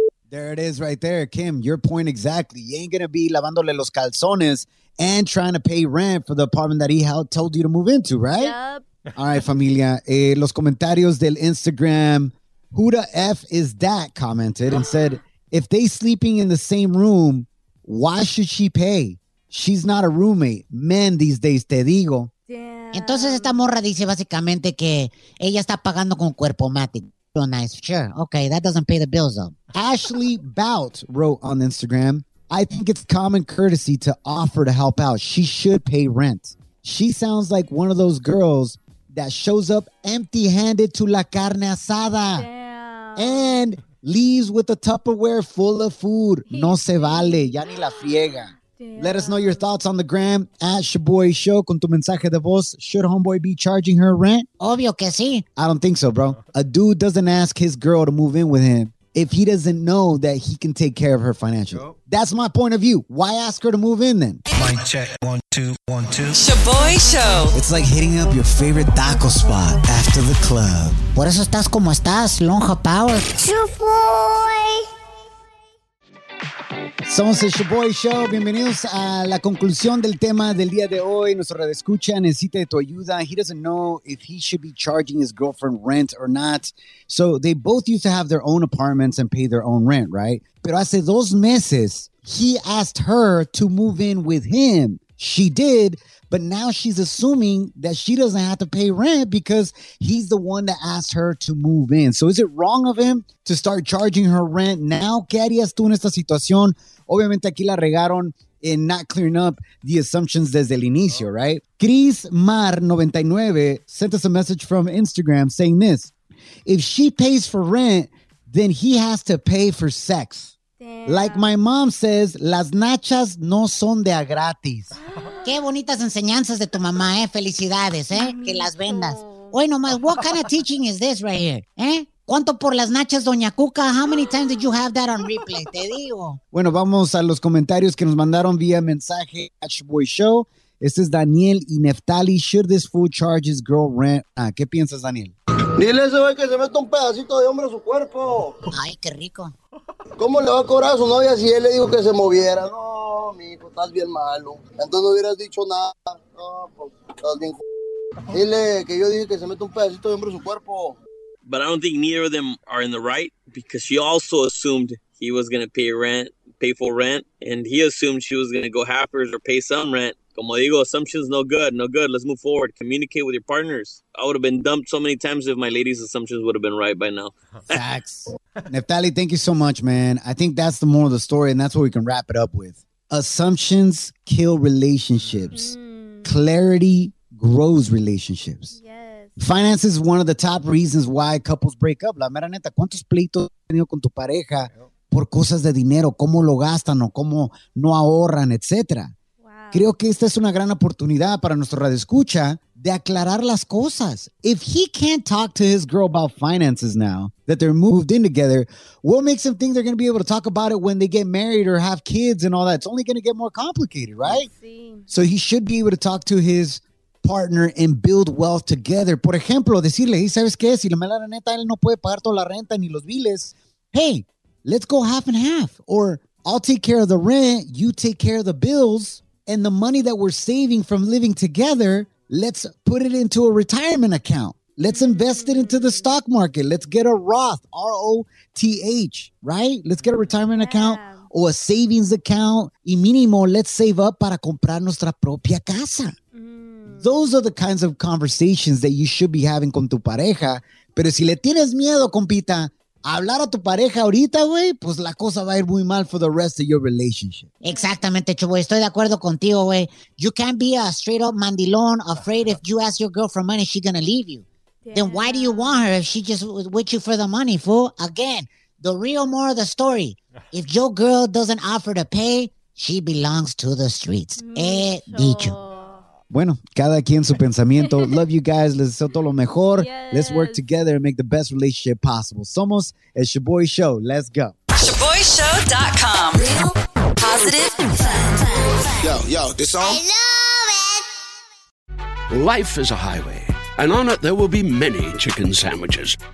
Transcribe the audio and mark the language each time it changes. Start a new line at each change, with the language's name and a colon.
English: There it is right there, Kim. Your point exactly. You ain't going to be
Spanish: lavándole los calzones
English: and trying to pay rent for the apartment that he told you to move into, right? Yep. All right,
Spanish: familia. Los comentarios del Instagram.
English: Who the F is that? Commented and said, if they sleeping in the same room, why should she pay? She's not a roommate. Men these days,
Spanish: te digo.
English: Damn.
Spanish: Entonces esta morra dice básicamente que ella está pagando con cuerpo mate.
English: Oh, nice. Sure. Okay, that doesn't pay the bills though. Ashley Bout wrote on Instagram, I think it's common courtesy to offer to help out. She should pay rent. She sounds like one of those girls that shows up empty-handed to
Spanish: la carne asada.
English: Damn. And leaves with a Tupperware full of food.
Spanish: No se vale. Ya ni la friega.
English: Damn. Let us know your thoughts on the gram at Shaboy Show
Spanish: con tu mensaje de voz.
English: Should homeboy be charging her rent?
Spanish: Obvio que sí.
English: I don't think so, bro. A dude doesn't ask his girl to move in with him if he doesn't know that he can take care of her financially. Yep. That's my point of view. Why ask her to move in then? Mic check. 1, 2, 1, 2. Shaboy Show. It's like hitting up your favorite taco spot after the club.
Spanish: Por eso estás como estás, lonja power.
English: Shaboy.
Spanish: Somos el Shaboy Show. Bienvenidos a la conclusión del tema del día de hoy. Nuestro radioescucha necesita de tu ayuda.
English: He doesn't know if he should be charging his girlfriend rent or not. So they both used to have their own apartments and pay their own rent, right?
Spanish: Pero hace dos meses,
English: he asked her to move in with him. She did, but now she's assuming that she doesn't have to pay rent because he's the one that asked her to move in. So is it wrong of him to start charging her rent now?
Spanish: ¿Qué harías tú en esta situación? Obviamente aquí la regaron en
English: not clearing up the assumptions
Spanish: desde el inicio,
English: right? Chris Mar 99 sent us a message from Instagram saying this. If she pays for rent, then he has to pay for sex. Damn. Like my mom says,
Spanish: las nachas no son de a gratis. Qué bonitas enseñanzas de tu mamá, eh. Felicidades, eh. Que las vendas. Oye, nomás,
English: what kind of teaching is this right here, eh?
Spanish: ¿Cuánto por las nachas, Doña Cuca?
English: How many times did you have that on replay?
Spanish: Te digo. Bueno, vamos a los comentarios que nos mandaron vía mensaje a Shaboy Show. Este es Daniel y Neftali. Should this fool charge his girl rent? Ah, ¿qué piensas, Daniel? Dile a ese güey que se meta un pedacito de hombre a su cuerpo. Ay, qué rico. ¿Cómo le va a cobrar a su novia si él le dijo que se moviera? No, mijo, estás bien malo. Entonces no hubieras dicho nada. No, pues, estás bien. Dile que yo dije que se meta un pedacito de hombre a su cuerpo.
English: But I don't think neither of them are in the right because she also assumed he was going to pay rent, pay full rent, and he assumed she was going to go half hers or pay some rent.
Spanish: Como digo,
English: assumptions no good, no good. Let's move forward. Communicate with your partners. I would have been dumped so many times if my lady's assumptions would have been right by now. Facts. Neftali, thank you so much, man. I think that's the moral of the story, and that's what we can wrap it up with. Assumptions kill relationships. Mm. Clarity grows relationships. Yes. Finances is one of the top reasons why couples break up.
Spanish: La mera neta, ¿cuántos pleitos has tenido con tu pareja por cosas de dinero? ¿Cómo lo gastan o cómo no ahorran, etcétera? Creo que esta es una gran oportunidad para nuestro radioescucha de aclarar las cosas.
English: If he can't talk to his girl about finances now that they're moved in together, what makes him think they're going to be able to talk about it when they get married or have kids and all that? It's only going to get more complicated, right? So he should be able to talk to his partner and build wealth together.
Spanish: Por ejemplo, decirle, hey, ¿sabes qué? Si la mala neta, él no puede pagar toda la renta ni los biles.
English: Hey, let's go half and half. Or I'll take care of the rent, you take care of the bills. And the money that we're saving from living together, let's put it into a retirement account. Let's invest it into the stock market. Let's get a Roth, R-O-T-H, right? Let's get a retirement account or a savings account.
Spanish: Y mínimo,
English: let's save up
Spanish: para comprar nuestra propia casa.
English: Mm. Those are the kinds of conversations that you should be having
Spanish: con tu pareja. Pero si le tienes miedo, compita, hablar a tu pareja ahorita, güey, pues la cosa va a ir muy mal
English: for the rest of your relationship.
Spanish: Exactamente, Chuboy. Estoy de acuerdo contigo, güey.
English: You can't be a straight up mandilón afraid if you ask your girl for money, she's gonna leave you. Yeah. Then why do you want her if she just with you for the money, fool? Again, the real moral of the story, if your girl doesn't offer to pay, she belongs to the streets.
Spanish: Mucho. He dicho. Bueno, cada quien su pensamiento.
English: Love you guys.
Spanish: Les deseo todo lo mejor.
English: Yes. Let's work together and make the best relationship possible.
Spanish: Somos el Shaboy Show.
English: Let's go. ShaboyShow.com. Positive. Yo, yo, this song. I love it. Life is a highway, and on it there will be many chicken sandwiches.